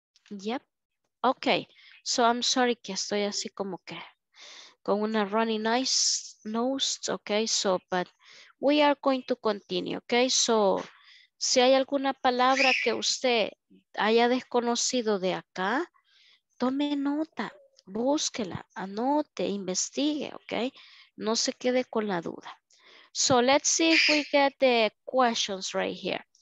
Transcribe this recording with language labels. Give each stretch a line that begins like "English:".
English: Yep. Okay, so I'm sorry
Spanish: que estoy así como que con una
English: runny nice nose, okay? So, but we are going to continue, okay?
Spanish: So, si hay alguna palabra que usted haya desconocido de acá, tome nota, búsquela, anote, investigue, okay? No se quede con la duda.
English: So, let's see if we get the questions right here.